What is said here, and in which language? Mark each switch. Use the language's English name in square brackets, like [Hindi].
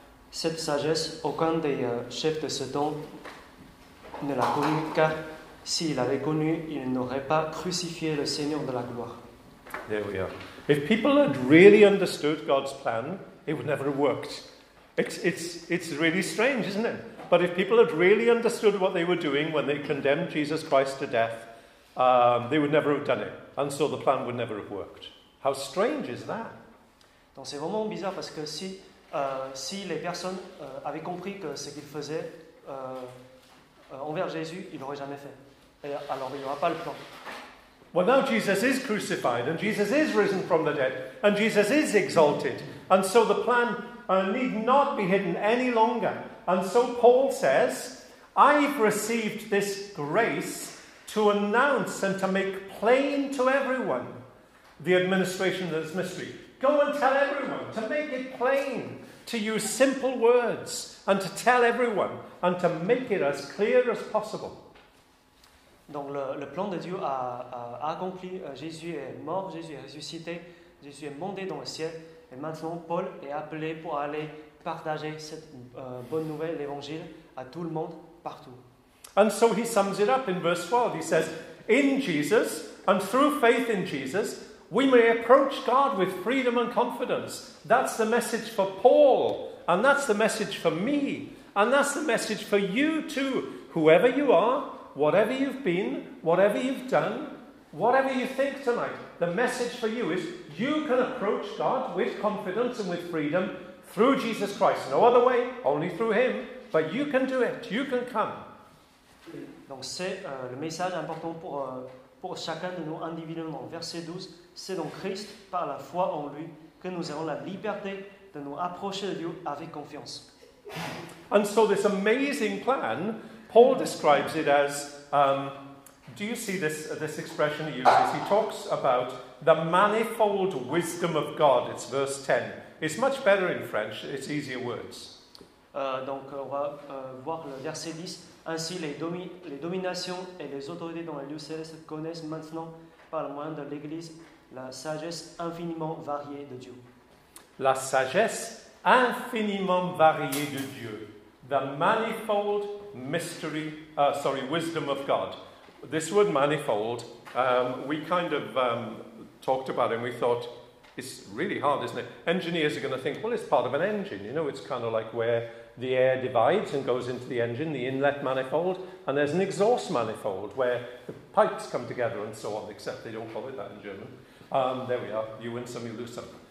[French] Cette sagesse, aucun des chefs de ce temps ne l'a connu, car s'il l'avait connu, il n'aurait pas crucifié le Seigneur de la gloire. [English] There we are. If people had really understood God's plan, it would never have worked. It's really strange, isn't it? But if people had really understood what they were doing when they condemned Jesus Christ to death, they would never have done it. And so the plan would never have worked. How strange is that? [French] Donc c'est vraiment bizarre, parce que si les personnes avaient compris que ce qu'ils faisaient envers Jésus, il n'aurait jamais fait. Et alors, il n'y aura pas le plan. [English] Well, now Jesus is crucified, and Jesus is risen from the dead, and Jesus is exalted, and so the plan need not be hidden any longer. And so Paul says, I've received this grace to announce and to make plain to everyone the administration of this mystery. Go and tell everyone, to make it plain, to use simple words, and to tell everyone, and to make it as clear as possible. [French] Donc le plan de Dieu a accompli, Jésus est mort, Jésus est ressuscité, Jésus est monté dans le ciel, et maintenant Paul est appelé pour aller partager cette bonne nouvelle, l'évangile, à tout le monde, partout. [English] And so he sums it up in verse 12, he says, in Jesus, and through faith in Jesus, we may approach God with freedom and confidence. That's the message for Paul, and that's the message for me, and that's the message for you too, whoever you are, whatever you've been, whatever you've done, whatever you think tonight, the message for you is you can approach God with confidence and with freedom through Jesus Christ. No other way, only through him, but you can do it, you can come. [French] Donc c'est le message important pour chacun de nous individuellement. Verset 12, c'est donc Christ, par la foi en lui, que nous avons la liberté de nous approcher de Dieu avec confiance. [English] And so this amazing plan, Paul describes it as, do you see this expression he uses? He talks about the manifold wisdom of God. It's verse 10. It's much better in French. It's easier words. [French] Donc on va voir le verset 10. Ainsi, les dominations et les autorités dans les lieux célestes connaissent maintenant, par le moyen de l'Église, la sagesse infiniment variée de Dieu. La sagesse infiniment variée de Dieu. [English] The manifold mystery, wisdom of God. This word manifold, we talked about it and we thought, it's really hard, isn't it? Engineers are going to think, well, it's part of an engine. You know, it's kind of like where the air divides and goes into the engine, the inlet manifold, and there's an exhaust manifold where the pipes come together and so on, except they don't call it that in German. There we are. You win some, you lose some.